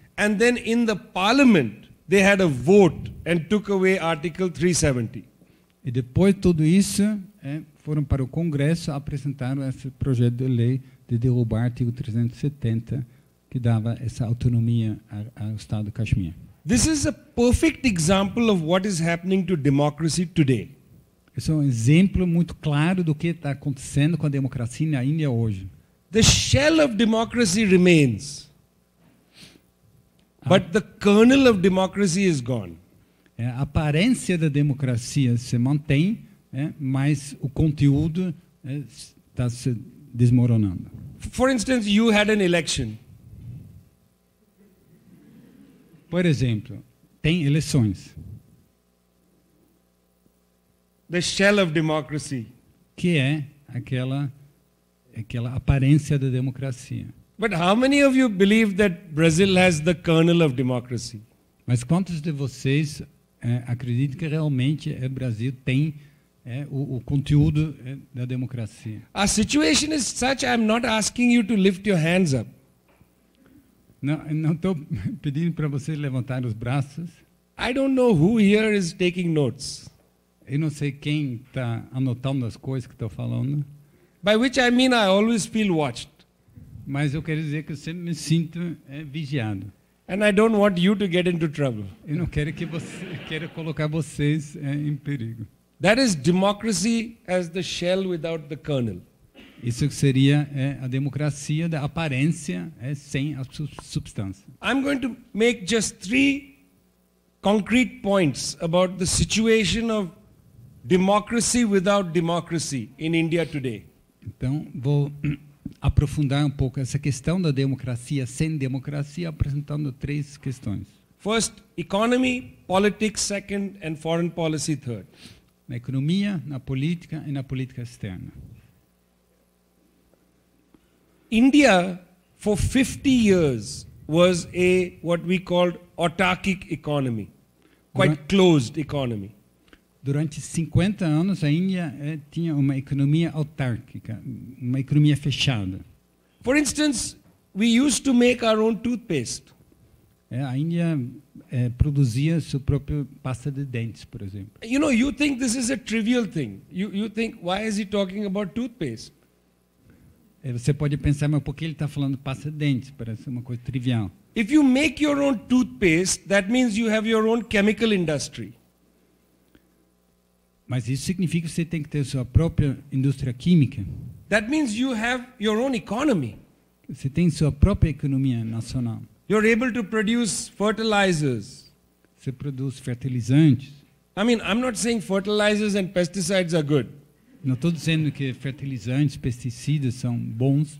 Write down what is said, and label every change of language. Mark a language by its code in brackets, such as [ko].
[en] And then in the parliament, they had a vote and took away Article 370. [pt] E depois de tudo isso, foram para o Congresso apresentar esse projeto de lei de derrubar o artigo 370, que dava essa autonomia ao Estado de Caxemira. [en] This is a perfect example of what is happening to democracy today. [pt] Esse é um exemplo muito claro do que está acontecendo com a democracia na Índia hoje. [en] The shell of democracy remains, but the kernel of democracy is gone. [pt] A aparência da democracia se mantém, mas o conteúdo está se desmoronando. [en] For instance, you had an election. [pt] Por exemplo, tem eleições. [en] The shell of democracy. [pt] Que é aquela aparência da democracia. [en] But how many of you believe that Brazil has the kernel of democracy? [pt] Mas quantos de vocês acreditam que realmente o Brasil tem o conteúdo da democracia? [en] A situation is such I'm not asking you to lift your hands up. [pt] Não estou pedindo para vocês levantarem os braços. [en] I don't know who here is taking notes. [pt] Eu não sei quem está anotando as coisas que estou falando. [en] By which I mean I always feel watched. [pt] Mas eu quero dizer que eu sempre me sinto vigiado. [en] And I don't want you to get into trouble. [pt] Eu não quero que você quero colocar vocês em perigo. [en] That is democracy as the shell without the kernel. [pt] Isso seria a democracia da aparência sem a substância. [en] I'm going to make just three concrete points about the situation of democracy without democracy in India today. [pt] Então vou aprofundar um pouco essa questão da democracia sem democracia, apresentando três questões. [en] First, economy, politics, second, and foreign policy, third. [pt] Na economia, na política e na política externa. [en] India, for 50 years, was a what we called autarkic economy, quite closed economy. [pt] Durante 50 anos, a Índia tinha uma economia autárquica, uma economia fechada. [en] For instance, we used to make our own toothpaste. [pt] A Índia produzia seu próprio pasta de dentes, por exemplo. [en] You know, you think this is a trivial thing. You think, why is he talking about toothpaste? [pt] Você pode pensar, mas por que ele está falando pasta de dentes? Parece uma coisa trivial. [en] If you make your own toothpaste, that means you have your own chemical industry. [pt] Mas isso significa que você tem que ter sua própria indústria química. [en] That means you have your own economy. [pt] Você tem sua própria economia nacional. [en] You're able to produce fertilizers. [pt] Você produz fertilizantes. [en] I mean, I'm not saying fertilizers and pesticides are good. [pt] Não estou dizendo que fertilizantes, pesticidas são bons.